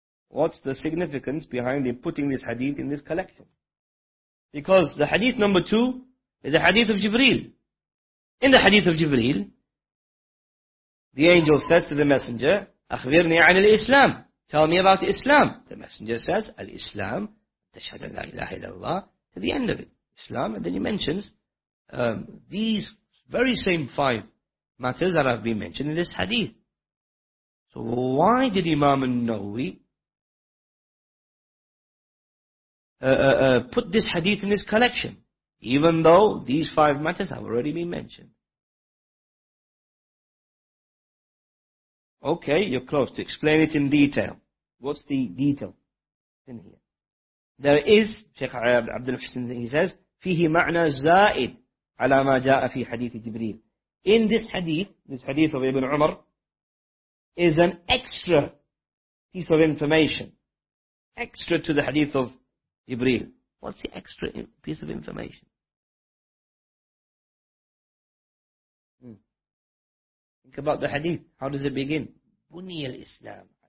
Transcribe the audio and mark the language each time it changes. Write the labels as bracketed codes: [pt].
[en] What's the significance behind him putting this hadith in this collection? Because the hadith number 2 is the hadith of Jibreel. In the hadith of Jibreel, the angel says to the messenger, [ar] أخبرني عن الإسلام. [en] Tell me about Islam. The messenger says, [ar] Al-Islam, تشهد لا إله إلا الله. [en] To the end of it, Islam. And then he mentions these very same five matters that have been mentioned in this hadith. So why did Imam al-Nawawi put this hadith in his collection, even though these five matters have already been mentioned? Okay, you're close to explain it in detail. What's the detail in here? There is, [ar] Shaykh Abdul Hussein, [en] he says, [ar] فيه معنى زائد على ما جاء في حديث جبريل. [en] In this hadith of Ibn Umar, is an extra piece of information, extra to the hadith of Jibreel. What's the extra piece of information? Think about the hadith. How does it begin? Buni al-Islam.